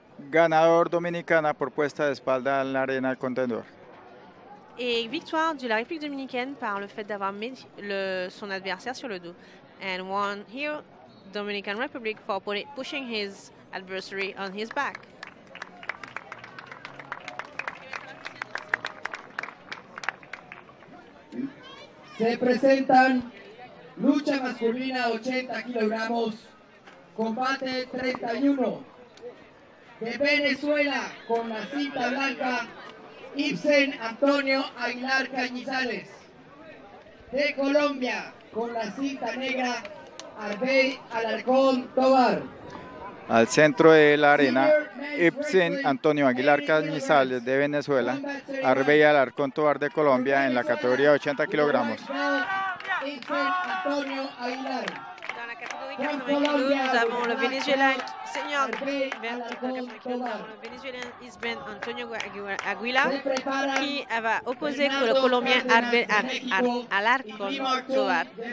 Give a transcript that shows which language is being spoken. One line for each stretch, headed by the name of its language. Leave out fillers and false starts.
Spanish: Ganador Dominicana por puesta de espalda en la arena al contendor.
French: Et victoire de la République dominicaine par le fait d'avoir mis son adversaire sur le dos.
English: And one here, Dominican Republic for pushing his adversary on his back.
Spanish: Se presentan lucha masculina 80 kilogramos, combate 31. De Venezuela, con la cinta blanca, Ibsen Antonio Aguilar Cañizales. De Colombia, con la cinta negra, Arbey Alarcón Tobar. Al centro de la arena, Ibsen Antonio Aguilar Cañizales, de Venezuela. Arbey Alarcón Tobar, de Colombia, en la categoría 80 kilogramos. Ibsen Antonio Aguilar.
French: Nous avons le Vénézuélien, Seigneur Vénézuélien Isben Antonio Aguila, qui va opposer le Colombien Arbel Alarcón Tobar.